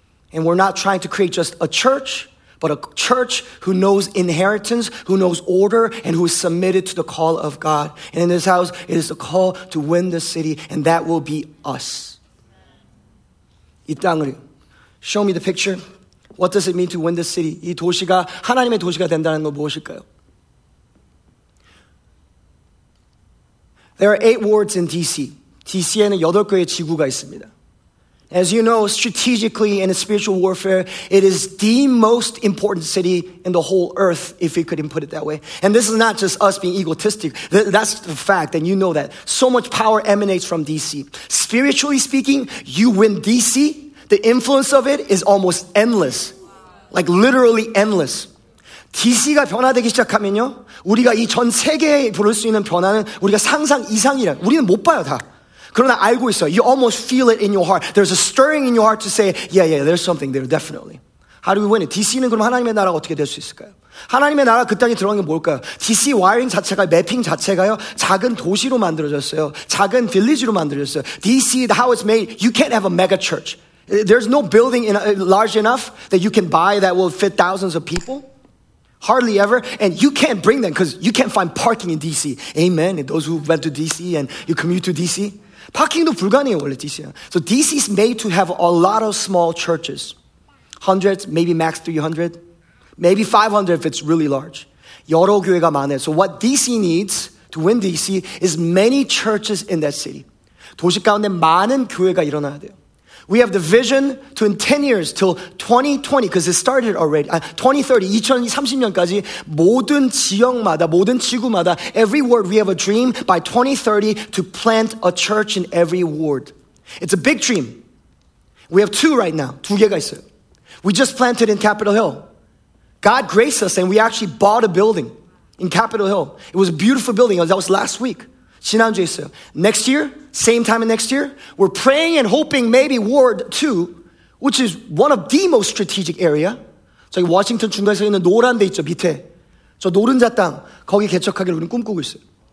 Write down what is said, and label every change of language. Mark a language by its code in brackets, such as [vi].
[en] And we're not trying to create just a church, but a church who knows inheritance, who knows order, and who is submitted to the call of God. And in this house, it is the call to win the city, and that will be us. [ko] 이 땅을 [en] show me the picture. What does it mean to win the city? [ko] 이 도시가 하나님의 도시가 된다는 건 무엇일까요? [en] There are 8 wards in DC. [ko] DC에는 8개의 지구가 있습니다. [en] As you know, strategically and in spiritual warfare, it is the most important city in the whole earth, if we could even put it that way. And this is not just us being egotistic. That's the fact, and you know that. So much power emanates from DC. Spiritually speaking, you win DC, the influence of it is almost endless. Like literally endless. [ko] DC가 변화되기 시작하면요. 우리가 이 전 세계에 부를 수 있는 변화는 우리가 상상 이상이라. 우리는 못 봐요, 다. 그러나 알고 있어. [en] You almost feel it in your heart. There's a stirring in your heart to say, yeah, yeah, there's something there, definitely. How do we win it? [ko] DC는 그럼 하나님의 나라가 어떻게 될 수 있을까요? 하나님의 나라 그 땅에 들어간 게 뭘까요? DC 와이링 자체가, 매핑 자체가요, 작은 도시로 만들어졌어요. 작은 빌리지로 만들어졌어요. [en] DC, how it's made, you can't have a mega church. There's no building large enough that you can buy that will fit thousands of people. Hardly ever. And you can't bring them because you can't find parking in DC. Amen. And those who went to DC and you commute to DC. [ko] 파킹도 불가능해요, 원래 DC. [en] So DC is made to have a lot of small churches. Hundreds, maybe max 300. Maybe 500 if it's really large. [ko] 여러 교회가 많아요. [en] So what DC needs to win DC is many churches in that city. [ko] 도시 가운데 많은 교회가 일어나야 돼요. [en] We have the vision to in 10 years till 2020 because it started already. 2030, [ko] 2030년까지 모든 지역마다, 모든 지구마다 [en] every ward we have a dream by 2030 to plant a church in every ward. It's a big dream. We have two right now. [ko] 두 개가 있어요. [en] We just planted in Capitol Hill. God graced us and we actually bought a building in Capitol Hill. It was a beautiful building. That was last week. [ko] 지난주에 있어요. [en] Next year, same time of next year, we're praying and hoping maybe Ward 2, which is one of the most strategic area. [ko] 저기 워싱턴 중간에 있는 노란 데 있죠, 밑에. 저 노른자 땅, 거기 개척하기를 우리는 꿈꾸고 있어요.